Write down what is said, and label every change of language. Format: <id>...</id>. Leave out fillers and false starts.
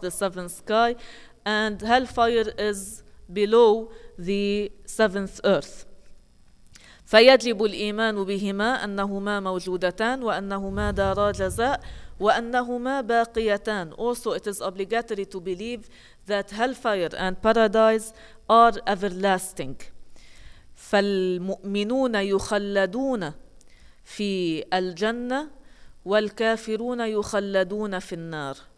<en>the seventh sky, and hellfire is below the seventh earth.</en> <ar>فيجب الإيمان بهما أنهما موجودتان وأنهما دارا جزاء وأنهما باقيتان.</ar> <en>Also, it is obligatory to believe that hellfire and paradise are everlasting.</en> <ar>فالمؤمنون يخلدون في الجنة والكافرون يخلدون في النار.</ar>